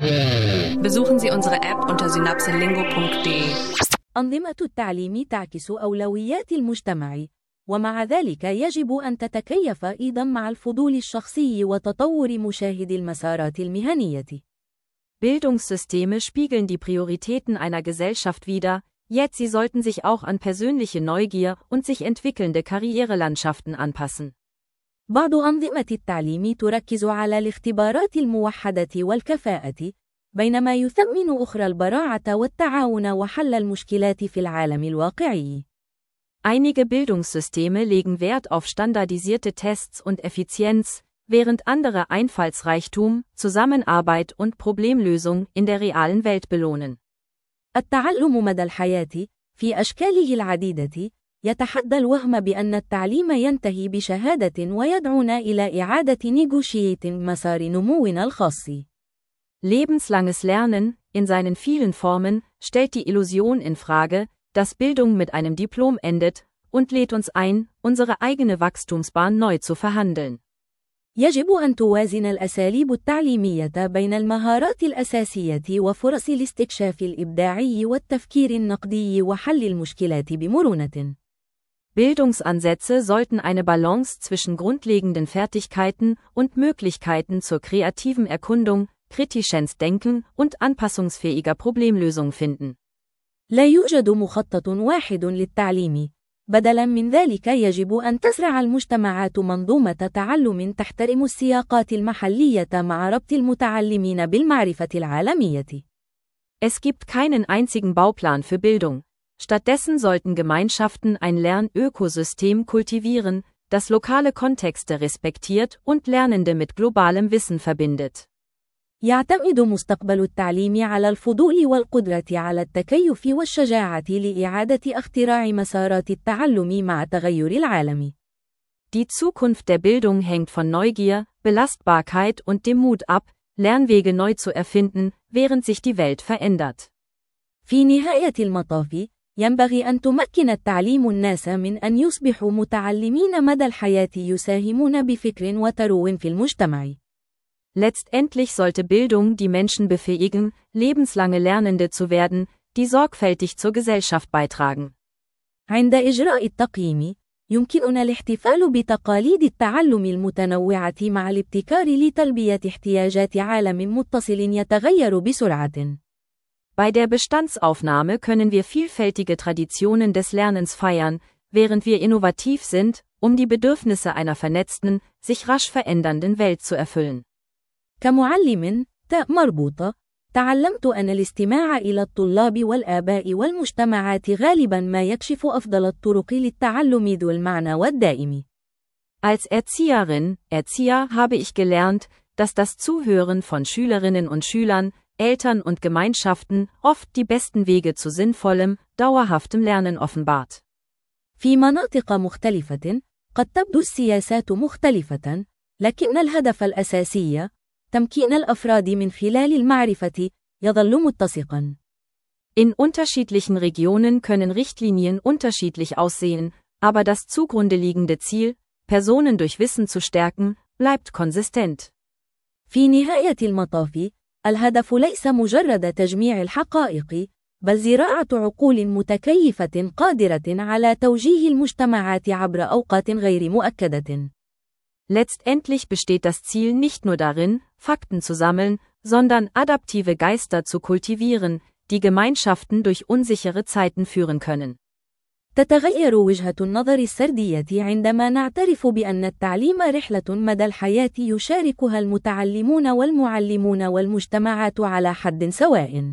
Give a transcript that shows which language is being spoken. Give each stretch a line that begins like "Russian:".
German: Besuchen Sie unsere App unter synapselingo.de.
Arabic: أنظمة التعليم تعكس أولويات المجتمع، ومع ذلك يجب أن تتكيف أيضاً مع الفضول الشخصي وتطور مشاهدي المسارات المهنية.
German: Bildungssysteme spiegeln die Prioritäten einer Gesellschaft wider,
English: yet
German: sie sollten sich auch an persönliche Neugier und sich entwickelnde Karrierelandschaften anpassen.
Arabic: بعض أنظمة التعليم تركز على الاختبارات الموحدة والكفاءة، بينما يثمن أخرى البراعة والتعاون وحل المشكلات في العالم الواقعي.
German: Einige Bildungssysteme legen Wert auf standardisierte Tests und Effizienz, während andere Einfallsreichtum, Zusammenarbeit und Problemlösung in der realen Welt belohnen.
Arabic: التعلم مدى الحياة في أشكاله العديدة يتحدى الوهم بأن التعليم ينتهي بشهادة ويدعونا إلى إعادة نيغوشييت مسار نمونا الخاص.
German: Lebenslanges Lernen, in seinen vielen Formen, stellt die Illusion in Frage, dass Bildung mit einem Diplom endet, und lädt uns ein, unsere eigene Wachstumsbahn neu zu verhandeln.
Arabic: يجب أن توازن الأساليب التعليمية بين المهارات الأساسية وفرص الاستكشاف الإبداعي والتفكير النقدي وحل المشكلات بمرونة.
German: Bildungsansätze sollten eine Balance zwischen grundlegenden Fertigkeiten und Möglichkeiten zur kreativen Erkundung, kritisches Denken und anpassungsfähiger Problemlösung finden.
Arabic: لا يوجد مخطط واحد للتعليم. بدلاً من ذلك يجب أن تزرع المجتمعات منظومة تعلم تحترم السياقات المحلية مع ربط المتعلمين بالمعرفة العالمية.
German: Es gibt keinen einzigen Bauplan für Bildung. Stattdessen sollten Gemeinschaften ein Lernökosystem kultivieren, das lokale Kontexte respektiert und Lernende mit globalem Wissen verbindet.
Arabic: يعتمد مستقبل التعليم على الفضول والقدرة على التكيف والشجاعة لإعادة اختراع مسارات التعلم مع تغير العالم.
German: Die Zukunft der Bildung hängt von Neugier, Belastbarkeit und dem Mut ab, Lernwege neu zu erfinden, während sich die Welt verändert.
Arabic: في نهاية المطاف، ينبغي أن تمكن التعليم الناس من أن يصبحوا متعلمين مدى الحياة يساهمون بفكر وترو في المجتمع.
German: Letztendlich sollte Bildung die Menschen befähigen, lebenslange Lernende zu werden, die sorgfältig zur Gesellschaft beitragen.
Arabic: عند إجراء التقييم، يمكننا الاحتفال بتقاليد التعلم المتنوعة مع الابتكار لتلبية احتياجات عالم متصل يتغير بسرعة.
German: Bei der Bestandsaufnahme können wir vielfältige Traditionen des Lernens feiern, während wir innovativ sind, um die Bedürfnisse einer vernetzten, sich rasch verändernden Welt zu erfüllen.
Arabic: كمعلم تاء مربوطة، تعلمت أن الاستماع إلى الطلاب والآباء والمجتمعات غالباً ما يكشف أفضل الطرق للتعلم ذو المعنى والدائم.
German: Als Erzieherin, Erzieher habe ich gelernt, dass das Zuhören von Schülerinnen und Schülern, Eltern und Gemeinschaften oft die besten Wege zu sinnvollem, dauerhaftem Lernen offenbart.
Arabic: في مناطق مختلفة، قد تبدو السياسات مختلفة، لكن الهدف الأساسي تمكين الأفراد من خلال المعرفة يظل متسقاً.
German: In unterschiedlichen Regionen können Richtlinien unterschiedlich aussehen, aber das zugrunde liegende Ziel, Personen durch Wissen zu stärken, bleibt konsistent.
Arabic: في نهاية المطاف، الهدف ليس مجرد تجميع الحقائق، بل زراعة عقول متكيفة قادرة على توجيه المجتمعات عبر أوقات غير مؤكدة.
German: Letztendlich besteht das Ziel nicht nur darin, Fakten zu sammeln, sondern adaptive Geister zu kultivieren, die Gemeinschaften durch unsichere Zeiten führen können.
Arabic: تتغير وجهة النظر السردية عندما نعترف بأن التعليم رحلة مدى الحياة يشاركها المتعلمون والمعلمون والمجتمعات على حد سواء.